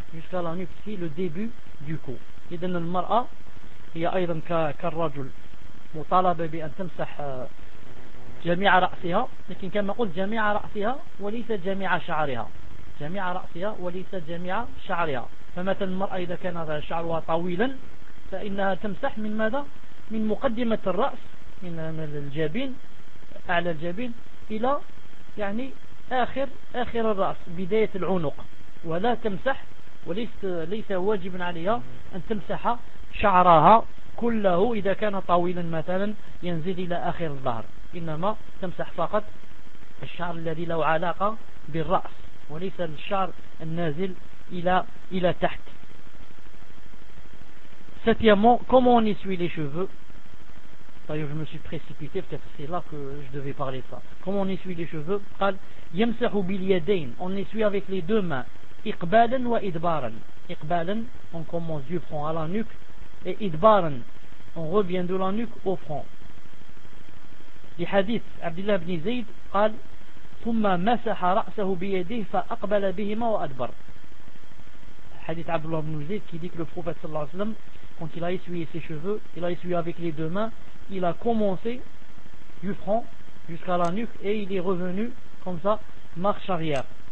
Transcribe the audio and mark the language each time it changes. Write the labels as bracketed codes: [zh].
[fr] Jusqu'à la nuque, c'est le début du cou. [ar] إذن المرأة هي أيضا كالرجل مطالبة بأن تمسح جميع رأسها، لكن كما قلت جميع رأسها وليس جميع شعرها، جميع رأسها وليس جميع شعرها. فمثلا المرأة إذا كان شعرها طويلا فإنها تمسح من ماذا؟ من مقدمة الرأس، من الجبين، أعلى الجبين إلى يعني آخر الرأس، بداية العنق، ولا تمسح وليس واجبا عليها أن تمسح شعرها كله إذا كان طويلا مثلا ينزل إلى آخر الظهر، إنما تمسح فقط الشعر الذي له علاقة بالرأس وليس الشعر النازل إلى تحت. [fr] Septièmement, comment on essuie les cheveux? D'ailleurs, je me suis précipité, peut-être c'est là que je devais parler ça. Comment on essuie les cheveux? [ar] قال يمسح باليدين. [fr] On essuie avec les deux mains. [ar] Iqbalan wa idbaran. [fr] Iqbalan, on commence du front à la nuque, et idbaran, on revient de la nuque au front. Les hadiths, [ar] Abdullah ibn Zayd قال ثم مسح رأسه بيده فأقبل بهما وأدبر. [fr] Hadith Abdullah ibn Zayd qui dit que le prophète sallallahu alayhi wa sallam, quand il a essuyé ses cheveux, il a essuyé avec les deux mains, il a commencé du front jusqu'à la nuque et il est revenu comme ça, marche arrière.